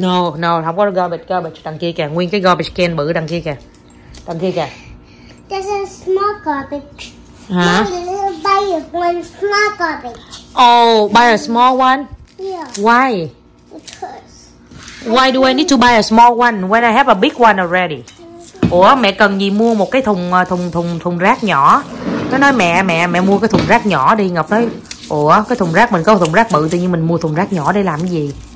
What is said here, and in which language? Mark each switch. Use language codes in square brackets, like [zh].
[en] No, no, [vi] không có garbage, garbage đằng kia kìa, nguyên cái garbage can bự đằng kia kìa. Đằng kia kìa. [en] There's a small garbage. [vi] Hả? [en] Now you buy one small garbage. Oh, buy a small one? Yeah. Why? Because. Why do I need to buy a small one when I have a big one already? [vi] Ủa, mẹ cần gì mua một cái thùng rác nhỏ? Nó nói mẹ mua cái thùng rác nhỏ đi. Ngọc nói, ủa, cái thùng rác mình có thùng rác bự, tự nhiên mình mua thùng rác nhỏ để làm cái gì?